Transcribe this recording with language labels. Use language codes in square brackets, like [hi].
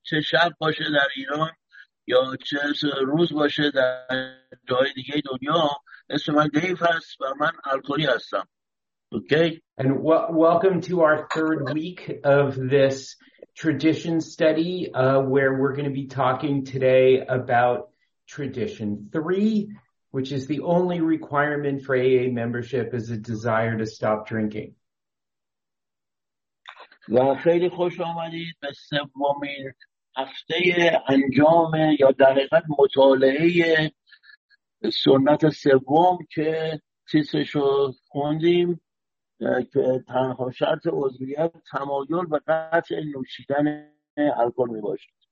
[fa] چه شب باشه در ایران یا چه روز باشه در جای دیگه دنیا. اسم من دیو هست و من الکلی هستم. Okay. [en] And welcome to our third week of this tradition study, where we're going to be talking today about tradition three, which is the only requirement for AA membership is a desire to stop drinking. [fa] و خیلی خوش آمدید به سومین هفته انجام یا دقیقا مطالعه سنت سوم که تیسشو خوندیم، که تنها شرط عضویت تمایل و قطع نوشیدن الکل می باشد.